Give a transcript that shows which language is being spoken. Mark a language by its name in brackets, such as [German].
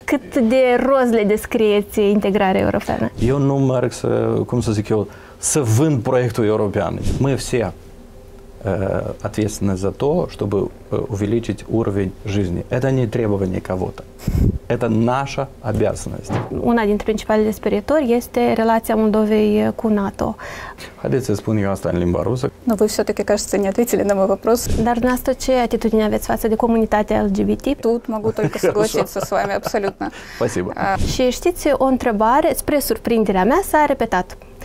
[Romanian] cât de roz le descrieți integrarea europeană? Eu nu merg să, cum să zic eu, să vând proiectul european. [Russian] Мы все ответственны за то, чтобы увеличить уровень жизни. Это не требование кого-то. Это наша обязанность. [Romanian] Una dintre principalele sperietori este relația Moldovei cu NATO. Haideți să spun eu asta în limba rusă. [Russian] Но вы все-таки, кажется, не ответили на мой вопрос. [Romanian] Dar dumneavoastră ce atitudine aveți față de comunitatea LGBT? [Russian] Тут могу только согласиться с вами абсолютно. Спасибо. [Romanian] Și știți, o întrebare, spre surprinderea mea, s-a repetat.